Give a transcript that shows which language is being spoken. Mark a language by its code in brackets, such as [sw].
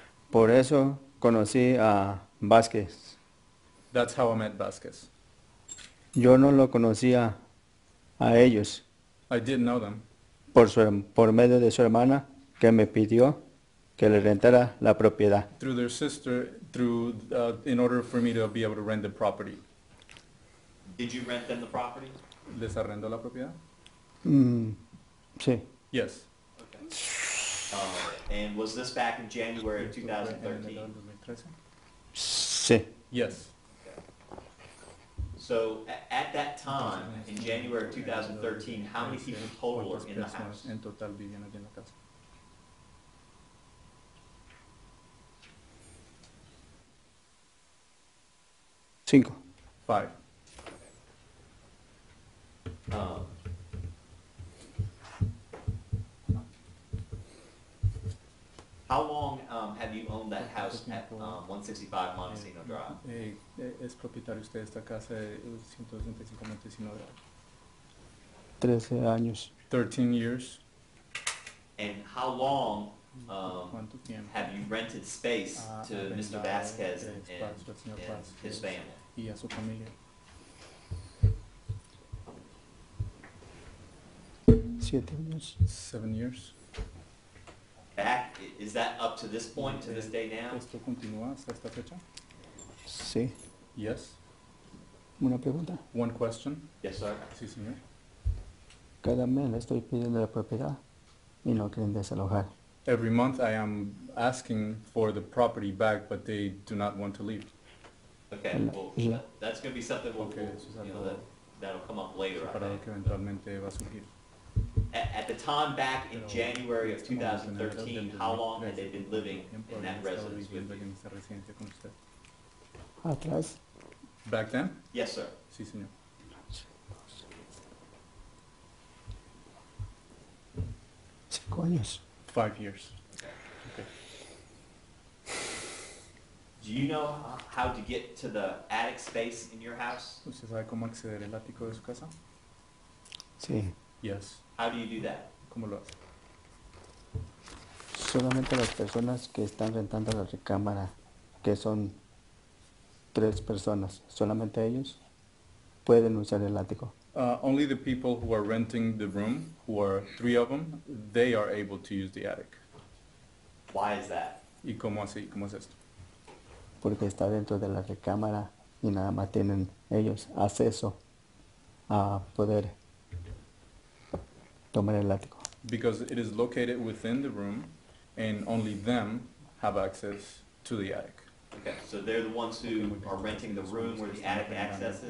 [es] Por eso conocí a Vázquez. [en] That's how I met Vázquez. [es] Yo no lo conocía a ellos. [en] I didn't know them. [es] Por medio de su hermana que me pidió que le rentara la propiedad. [en] Through their sister, in order for me to be able to rent the property. Did you rent them the property? [es] ¿Les arrendó la propiedad? Sí. [en] Yes. Okay. And was this back in January of 2013? [es] Sí. [en] Yes. So at that time, in January of 2013, how many people total are in the house? [es] En total vivían en la casa. Cinco. [en] Five. How long have you owned that house at 165 Montesino Drive? [es] ¿Es propietario usted de esta casa de 165 Montesino Drive? 13 años. [en] 13 years. And how long have you rented space to Mr. Vasquez and his family? [es] Y a su familia. Siete años. [en] 7 years. Back, is that up to this point, to this day now? [es] ¿Esto continúa hasta esta fecha? Sí. [en] Yes. [es] Una pregunta. [en] One question. Yes, sir. [es] Sí, señor. Cada mes le estoy pidiendo la propiedad y no quieren desalojar. [en] Every month I am asking for the property back, but they do not want to leave. Okay, well, that's going to be something that'll come up later. [es] Para que eventualmente va a surgir. [en] At the time back in January of 2013, how long had they been living in that residence with you? [es] Atrás. [en] Back then? Yes, sir. [es] Sí, señor. Cinco años. [en] 5 years. Okay. Do you know how to get to the attic space in your house? [es] ¿Usted sabe cómo acceder al ático de su casa? Sí. [en] Yes. How do you do that? [es] ¿Cómo lo hace? Solamente las personas que están rentando la recámara, que son tres personas, solamente ellos pueden usar el ático. [en] Only the people who are renting the room, who are three of them, they are able to use the attic. Why is that? [es] ¿Y cómo así? ¿Cómo es esto? Porque está dentro de la recámara y nada más tienen ellos acceso a poder tomar el látigo. [en] Because it is located within the room and only them have access to the attic. Okay, so they're the ones who are renting the room where the attic access is?